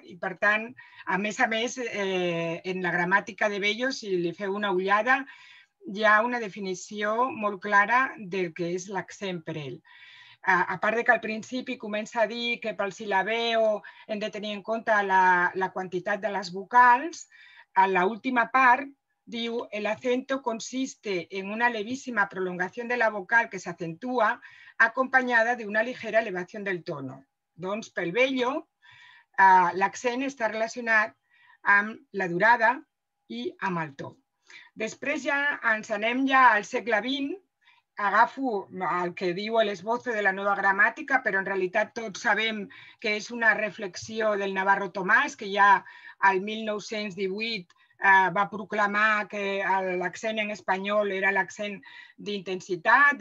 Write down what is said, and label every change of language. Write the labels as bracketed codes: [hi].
[ca] I, per tant, a més, en la gramàtica de Bello, si li feu una ullada, hi ha una definició molt clara del que és l'accent per ell. A part de que al principi comença a dir que pel silabeo hem de tenir en compte la quantitat de les vocals, a l'última part Diu, [es] el acento consiste en una levísima prolongación de la vocal que se acentúa acompañada de una ligera elevación del tono. [ca] Doncs pel vello, l'accent està relacionat amb la durada i amb el to. Després ja ens anem ja al segle XX, agafo el que diu l'esbozo de la nova gramàtica, però en realitat tots sabem que és una reflexió del Navarro Tomàs, que ja al 1918 va proclamar que l'accent en espanyol era l'accent d'intensitat.